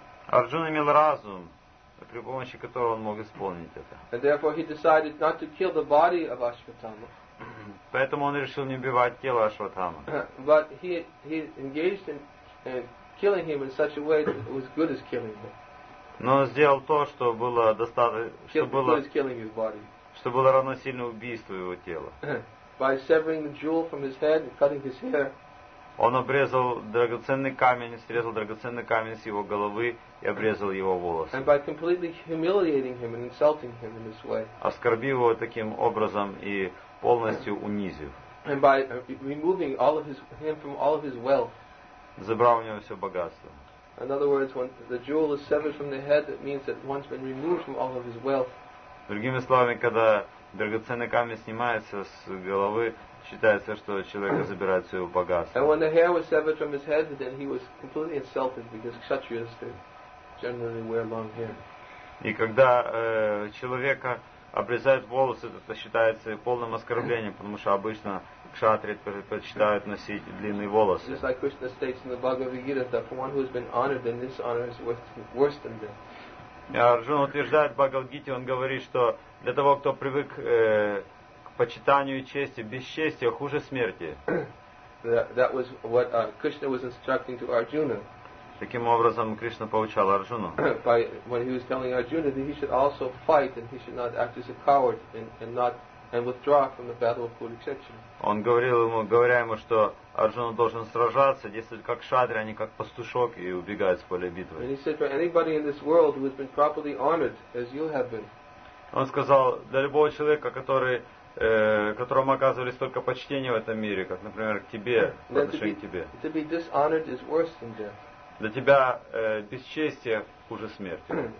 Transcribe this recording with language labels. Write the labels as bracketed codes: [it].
[ru] Арджуна имел разум, при помощи которого он мог исполнить это. [en] And therefore he decided not to kill the body of Ashvatthama. [ru] Поэтому он решил не убивать тело Ашватхамы. [en] But he engaged in killing him in such a way that it was good as killing him. [ru] Но он сделал то, что было достаточно, что было равносильно убийству его тела. [en] By severing the jewel from his head and cutting his hair. [ru] Он обрезал драгоценный камень, срезал драгоценный камень с его головы и обрезал его волосы. [en] And by completely humiliating him and insulting him in this way. [ru] Оскорбив его таким образом и полностью унизив. [en] And by removing all of his him from all of his wealth. [ru] Забрал у него все богатство. [en] In other words, when the jewel is severed from the head, it means that one's been removed from all of his wealth. [ru] Другими словами, когда драгоценный камень снимается с головы, считается, что человек забирает свое богатство. [en] And when the hair was severed from his head, then he was completely insulted because kshatriyas generally wear long hair. [ru] И когда человека обрезают волосы, это считается полным оскорблением, потому что обычно кшатри предпочитают носить длинные волосы. [en] Just like Krishna states in the Bhagavad Gita that for one who has been honored, then this honor is worse than death. [ru] Арджуна утверждает в Бхагавад-гите, он говорит, что для того, кто привык к почитанию и чести, бесчестие хуже смерти. [en] That was what Krishna was instructing to Arjuna. [ru] Таким образом, Кришна поучал Арджуну. [en] When he was telling Arjuna that he should also fight and he should not act as a coward and withdraw from the battle of Kurukshetra. [ru] Он говорил ему, говоря ему, что Арджуна должен сражаться, действовать как кшатри, а не как пастушок и убегать с поля битвы. [en] And he said, for anybody in this world who has been properly honored, as you have been. [ru] Он сказал, для любого человека, который, которому оказывали столько почтения в этом мире, как, например, к тебе, в отношении к тебе. [en] To be dishonored is worse than death. [ru] Для тебя бесчестие хуже смерти.